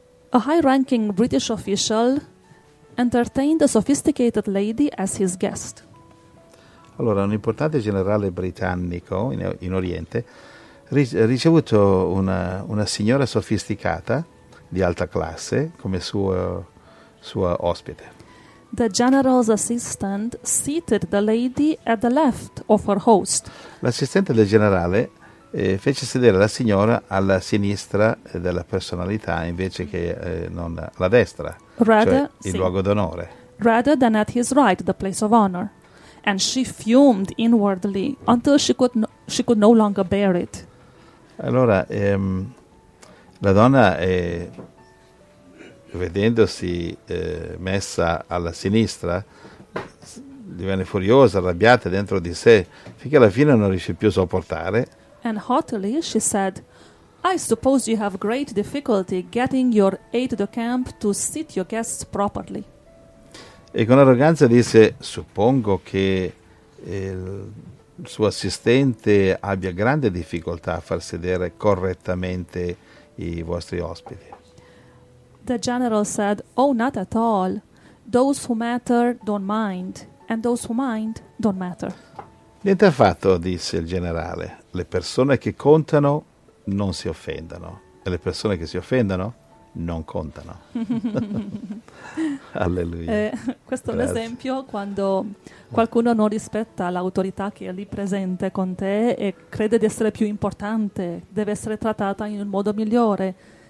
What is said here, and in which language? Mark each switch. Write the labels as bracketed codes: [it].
[en] A high-ranking British official entertained a sophisticated lady as his guest. [it] Allora, un importante generale britannico in Oriente ha ricevuto una signora sofisticata di alta classe come sua ospite. [en] The general's assistant seated the lady at the left of her host. [it] L'assistente del generale fece sedere la signora alla sinistra della personalità invece che non alla destra, cioè [en] Rather, [it] il sì. luogo d'onore. [en] Rather than at his right, the place of honor. And she fumed inwardly until she could no longer bear it. [it] Allora, la donna, vedendosi messa alla sinistra, divenne furiosa, arrabbiata dentro di sé, finché alla fine non riuscì più a sopportare. [en] And haughtily she said, I suppose you have great difficulty getting your aide-de-camp to seat your guests properly. [it] E con arroganza disse: Suppongo che il suo assistente abbia grande difficoltà a far sedere correttamente i vostri ospiti. [en] The general said, Oh, not at all. Those who matter don't mind, and those who mind don't matter. [it] Niente affatto, disse il generale. Le persone che contano non si offendono, e le persone che si offendono non contano. Alleluia. Questo è un Grazie. esempio quando qualcuno non rispetta l'autorità che è lì presente con te e crede di essere più importante, deve essere trattata in un modo migliore.